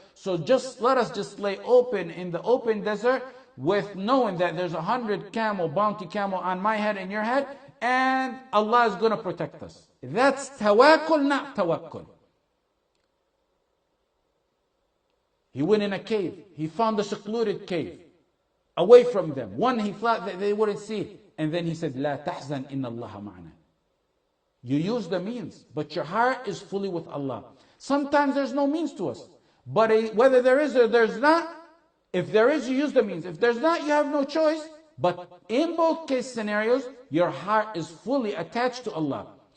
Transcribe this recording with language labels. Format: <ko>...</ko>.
<en>So just let us just lay open in the open desert with knowing that there's 100 camel, bounty camel on my head and your head, and Allah is going to protect us. That's tawakkul, not tawakkul. He went in a cave. He found a secluded cave away from them. One, he thought that they wouldn't see. And then he said,</en> <ar>لا تحزن إن الله معنا.</ar> <en>You use the means, but your heart is fully with Allah. Sometimes there's no means to us. But whether there is or there's not, if there is, you use the means. If there's not, you have no choice. But in both case scenarios, your heart is fully attached to Allah.</en>